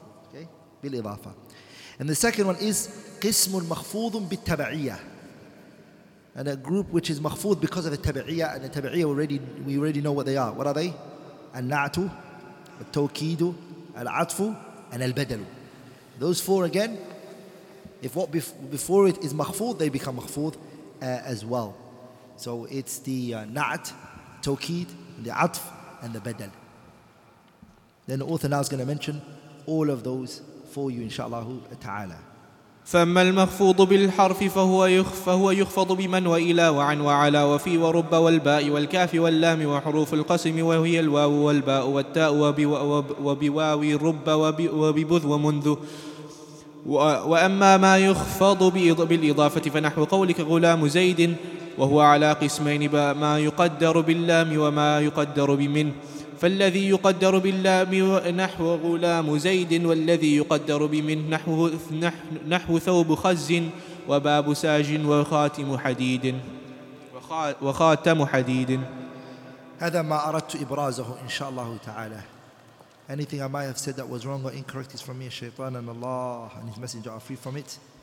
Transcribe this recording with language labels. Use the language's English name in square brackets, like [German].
[English] Okay? [Arabic] بالإضافة. [English] And the second one is [Arabic] قسم مخفوض بالتبعية. [English] And a group which is مخفوض because of the تبعية, and the تبعية we already know what they are. What are they? [Arabic] النعت, التوكيد, العطف, and البدل. [English] Those four again, if what before it is مخفوض, they become مخفوض as well. So it's the نعت, توكيد, the عطف, and the بدل. Then the author now is going to mention all of those for you, inshallah ta'ala. [Arabic] فما المخفوض بالحرف فهو يخفض بمن وإلى وعن وعلى وفي ورب والباء والكاف واللام وحروف القسم, وهي الواو والباء والتاء وبواوي رب وببذ ومنذ. وأما ما يخفض بالإضافة فنحو قولك غلام زيد وهو على قسمين ما يقدر باللام وما يقدر بمن، فالذي يقدر باللام نحو غلام زيد، والذي يقدر بمن نحو ثوب خز وباب ساج وخاتم حديد. هذا ما أردت إبرازه إن شاء الله تعالى. [English] Anything I might have said that was wrong or incorrect is from me, Shaytan, and Allah and His Messenger are free from it.